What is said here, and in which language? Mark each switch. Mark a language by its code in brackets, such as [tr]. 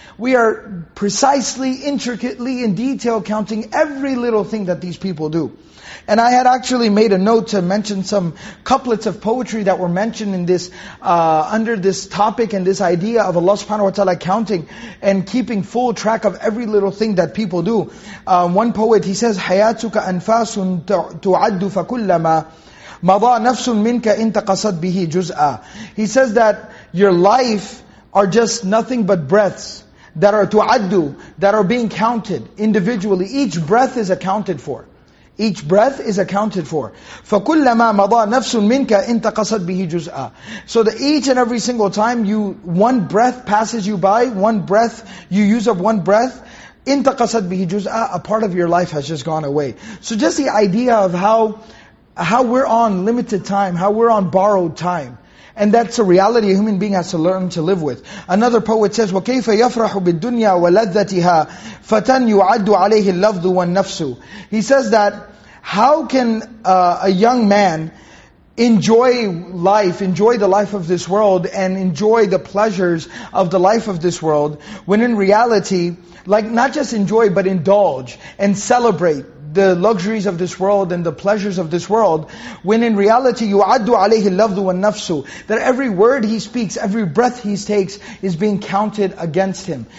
[en] We are precisely, intricately, in detail counting every little thing that these people do. And I had actually made a note to mention some couplets of poetry that were mentioned in this under this topic and this idea of Allah subhanahu wa ta'ala counting and keeping full track of every little thing that people do. One poet, he says, [ar] حَيَاتُكَ أَنْفَاسٌ تُعَدُّ فَكُلَّمَا مَضَى نَفْسٌ مِنْكَ إِنْ تَقَصَدْ بِهِ جُزْءًا. [en] He says that your life are just nothing but breaths that are تُعَدُّ, that are being counted individually. Each breath is accounted for. Each breath is accounted for. [ar] فَكُلَّمَا مَضَى نَفْسٌ مِنْكَ إِنْ تَقَصَدْ بِهِ جُزْءًا. [en] So that each and every single time you, one breath passes you by, one breath, you use up one breath, [ar] إِنْ تَقَصَدْ بِهِ جُزْءًا, [en] a part of your life has just gone away. So just the idea of how we're on limited time, how we're on borrowed time. And that's a reality a human being has to learn to live with. Another poet says, [ar] وَكَيْفَ يَفْرَحُ بِالدُّنْيَا وَلَذَّتِهَا فَتَنْ يُعَدُّ عَلَيْهِ اللَّفْظُ وَالنَّفْسُ. [en] He says that, how can a young man enjoy life, enjoy the life of this world, and enjoy the pleasures of the life of this world, when in reality, like not just enjoy, but indulge and celebrate the luxuries of this world and the pleasures of this world, when in reality [ar] يُعَدُّ عَلَيْهِ اللَّفْظُ وَالنَّفْسُ, [en] that every word he speaks, every breath he takes is being counted against him.